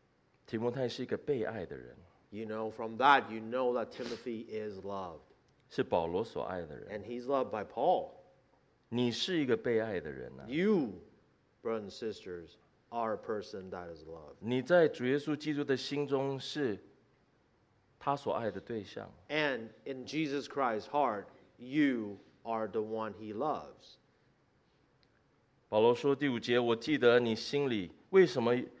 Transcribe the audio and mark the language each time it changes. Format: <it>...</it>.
<zh>这是一个被爱的人，提摩太是一个被爱的人。</zh> <en>You know, from that, you know that Timothy is loved.</en> <zh>是保罗所爱的人。</zh> <en>And he's loved by Paul.</en> <zh>你是一个被爱的人啊。</zh> <en>You, brothers and sisters, are a person that is loved.</en> <zh>你在主耶稣基督的心中是他所爱的对象。</zh> <en>And in Jesus Christ's heart, you are the one he loves.</en> <zh>保罗说第五节，我记得你心里为什么。</zh>